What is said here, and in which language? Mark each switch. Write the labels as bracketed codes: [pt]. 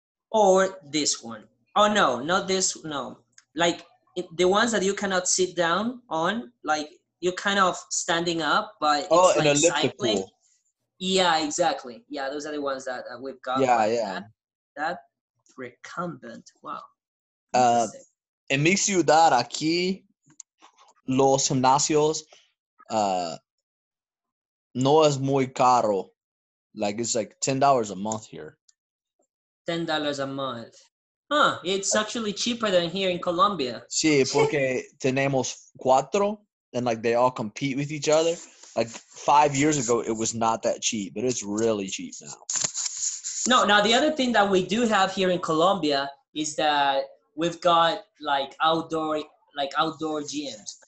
[en] Or this one. Oh, no, not this. No. Like, the ones that you cannot sit down on, like, you're kind of standing up, but it's oh, like an elliptical. Cycling. Yeah, exactly. Yeah, those are the ones that we've got. Yeah, like yeah. That recumbent. Wow. [es] En mi ciudad aquí, los gimnasios no es muy caro. [en] Like, it's like $10 a month here. $10 a month. Huh, it's actually cheaper than here in Colombia. Sí, porque tenemos cuatro, and like they all compete with each other. Like 5 years ago, it was not that cheap, but it's really cheap now. No, now the other thing that we do have here in Colombia is that we've got like outdoor gyms.